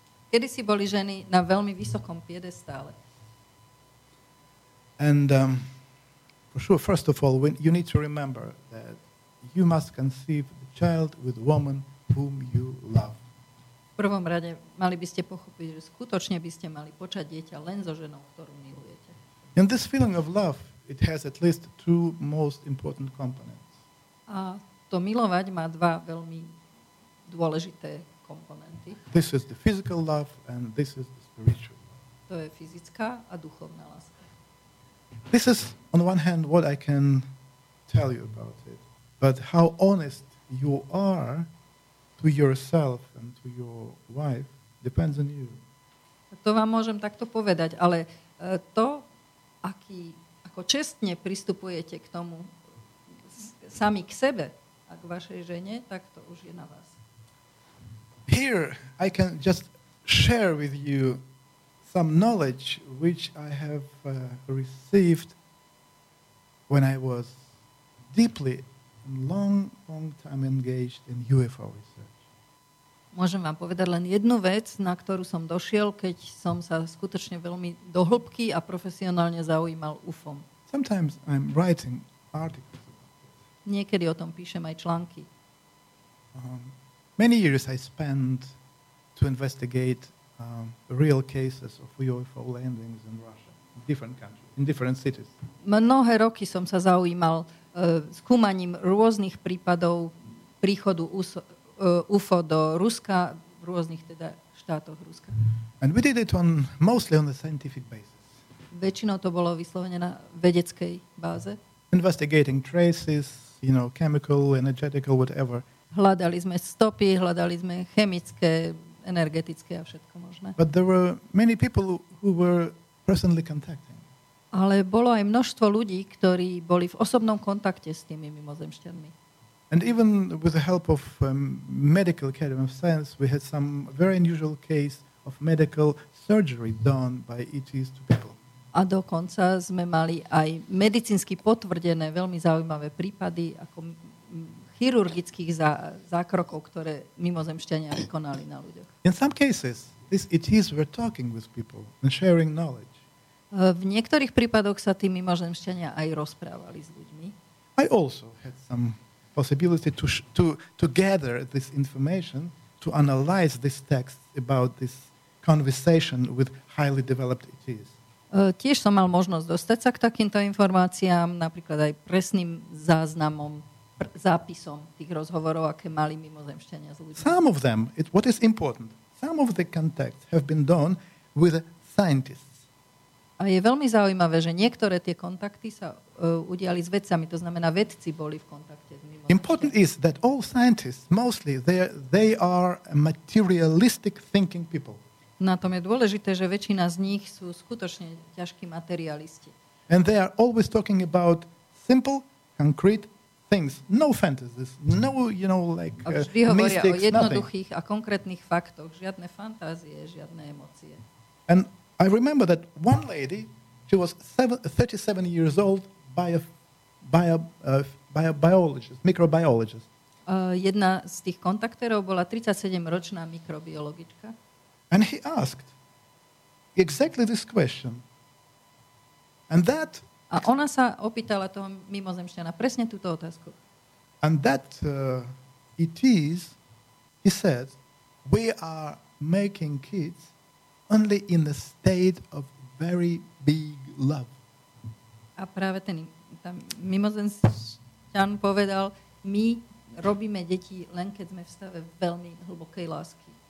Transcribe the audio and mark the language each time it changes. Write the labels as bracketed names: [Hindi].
[Slovak] Kedy si boli ženy na veľmi vysokom piedestále? [English] And for sure, first of all, you need to remember that you must conceive a child with a woman whom you love. [Slovak] V prvom rade mali by ste pochopiť, že skutočne by ste mali počať dieťa len so ženou, ktorú milujete. [English] And this feeling of love, it has at least two most important components. [Slovak] A to milovať má dva veľmi dôležité komponenty. [English] This is the physical love and this is the spiritual love. [Slovak] To je fyzická a duchovná láska. [English] This is on one hand what I can tell you about it. But how honest you are to yourself and to your wife depends on you. [Slovak] To vám môžem takto povedať, ale to, aký ako čestne pristupujete k tomu sami k sebe a k vašej žene, tak to už je na vás. [English] Here I can just share with you some knowledge which I have received when I was deeply long time engaged in UFO research. [Slovak] Môžem vám povedať len jednu vec, na ktorú som došiel, keď som sa skutočne veľmi do hĺbky a profesionálne zaujímal UFOm. [English] Sometimes I'm writing articles. [Slovak] Niekedy o tom píšem aj články. [English] Many years I spent to investigate real cases of UFO landings in Russia, in different countries, in different cities. [Slovak] Mnohé roky som sa zaujímal skúmaním rôznych prípadov príchodu UFO do Ruska, v rôznych teda štátoch Ruska. [English] And we did it on mostly on the scientific basis. [Slovak] Väčšinou to bolo vyslovene na vedeckej báze. [English] Investigating traces, you know, chemical, energetical, whatever. [Slovak] Hľadali sme stopy, hľadali sme chemické, energetické a všetko možné. [English] But there were many people who were personally contacting. [Slovak] Ale bolo aj množstvo ľudí, ktorí boli v osobnom kontakte s tými mimozemšťanmi. [English] And even with the help of medical academy of science, we had some very unusual case of medical surgery done by ETs to people. [Slovak] A dokonca sme mali aj medicínsky potvrdené veľmi zaujímavé prípady ako chirurgických zákrokov, ktoré mimozemšťania vykonali na ľuďoch. [English] In some cases, these ETs were talking with people and sharing knowledge. [Slovak] V niektorých prípadoch sa tí mimozemšťania aj rozprávali s ľuďmi. [English] I also had some possibility to gather this information, to analyze this text about this conversation with highly developed ETs. [Slovak] Tiež som mal možnosť dostať sa k takýmto informáciám, napríklad aj presným záznamom, zápisom tých rozhovorov, aké mali mimozemšťania s ľuďmi. [English] Some of them, what is important, some of the contacts have been done with scientists. [Slovak] A je veľmi zaujímavé, že niektoré tie kontakty sa udiali s vedcami, to znamená vedci boli v kontakte s mimozemšťanmi. [English] Important is that all scientists, mostly, they are materialistic thinking people. [Slovak] Na tom je dôležité, že väčšina z nich sú skutočne ťažkí materialisti. [English] And they are always talking about simple, concrete things. No fantasies, no, you know, like mystics, nothing. [Slovak] A vždy hovoria o jednoduchých a konkrétnych faktoch. Žiadne fantázie, žiadne emócie. [English] And I remember that one lady, she was 37 years old, biologist, microbiologist. [Slovak] Jedna z tých kontaktérov bola 37-ročná mikrobiologička. [English] And he asked exactly this question. And that... [Slovak] A ona sa opýtala toho mimozemšťana presne túto otázku. [English] And that it is, he said, we are making kids only in the state of very big love. [Slovak] A práve ten mimozemšťan povedal, my robíme deti len keď sme v stave veľmi hlbokej lásky.